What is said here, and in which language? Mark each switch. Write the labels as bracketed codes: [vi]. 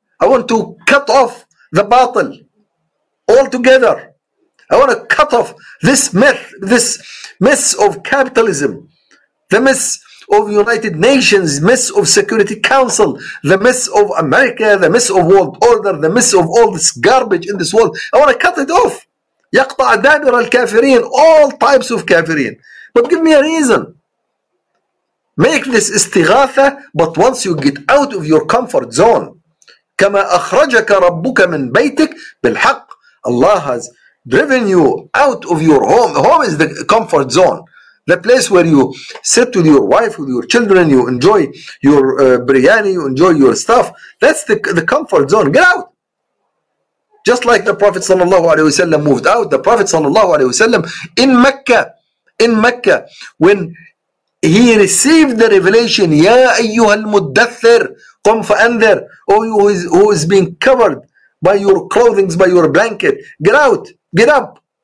[en] I want to cut off the batil altogether. I want to cut off this myth of capitalism, the myth of United Nations, myth of Security Council, the myth of America, the myth of world order, the myth of all this garbage in this world. I want to cut it off. [ar] يقطع دابر الكافرين, [en] all types of [ar] كافرين. [en] But give me a reason. Make this استغاثة, but once you get out of your comfort zone. [ar] كما أخرجك ربك من بيتك بالحق. [en] Allah has driven you out of your home. Home is the comfort zone. The place where you sit with your wife, with your children, you enjoy your biryani, you enjoy your stuff. That's the comfort zone. Get out. Just like the Prophet sallallahu alaihi wasallam moved out, the Prophet sallallahu alaihi wasallam in Mecca, when he received the revelation, [ar] يا أيها المدثر قم فأنذر, [en] oh you who is being covered by your clothing, by your blanket, get out, get up.